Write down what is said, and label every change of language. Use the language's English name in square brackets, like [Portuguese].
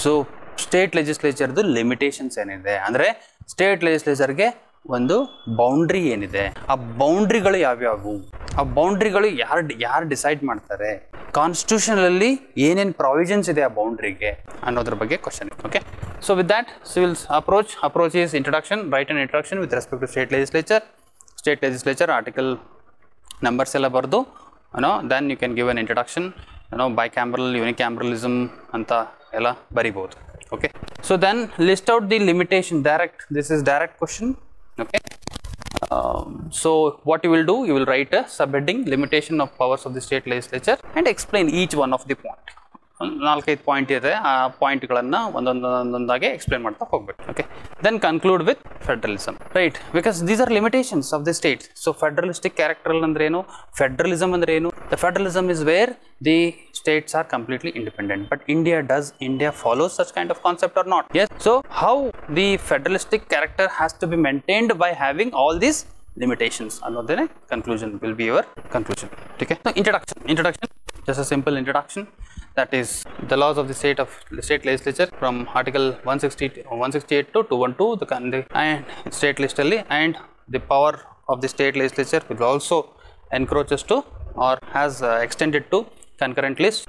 [Kannada] So state ಲೆಜಿಸ್ಲೇಚರ್ದು limitations ಏನಿದೆ ಅಂದರೆ state ಲೆಜಿಸ್ಲೇಚರ್ಗೆ ಒಂದು ಬೌಂಡ್ರಿ ಏನಿದೆ, ಆ ಬೌಂಡ್ರಿಗಳು ಯಾವ್ಯಾವು, ಆ ಬೌಂಡ್ರಿಗಳು ಯಾರು ಡಿಸೈಡ್ ಮಾಡ್ತಾರೆ, ಕಾನ್ಸ್ಟಿಟ್ಯೂಷನಲ್ಲಿ ಏನೇನು ಪ್ರಾವಿಷನ್ಸ್ ಇದೆ ಆ ಬೌಂಡ್ರಿಗೆ ಅನ್ನೋದ್ರ ಬಗ್ಗೆ question. Okay, [English] So with that, civil's approach. Approach is introduction, write an introduction with respect to state legislature. State legislature article numbers [Kannada] ella bardu, [English] you know, then you can give an introduction, you know, bicameral, unicameralism, [Kannada] anta ella bari bodu. [English] Okay. So then list out the limitation direct. This is direct question. Okay. So what you will do, you will write a subheading limitation of powers of the state legislature and explain each one of the point. [Kannada] ನಾಲ್ಕೈದು point ಇದೆ, ಆ ಪಾಯಿಂಟ್ಗಳನ್ನು ಒಂದೊಂದಾಗಿ explain ಮಾಡ್ತಾ ಹೋಗ್ಬೇಕು. [English] Okay, then conclude with federalism, right? Because these are limitations of the state. So federalistic character ಅಂದ್ರೇನು, federalism ಅಂದ್ರೇನು? The federalism is where the states are completely independent. But India, does India follows such kind of concept or not? Yes. So how the federalistic character has to be maintained by having all these limitations [Kannada] ಅನ್ನೋದೇ [English] Conclusion, will be your conclusion. Okay, introduction. Introduction just a simple introduction. That is the laws of the state of state legislature from article 168 to 212, the and state legislature, and the power of the state legislature will also encroaches to or has extended to concurrent list.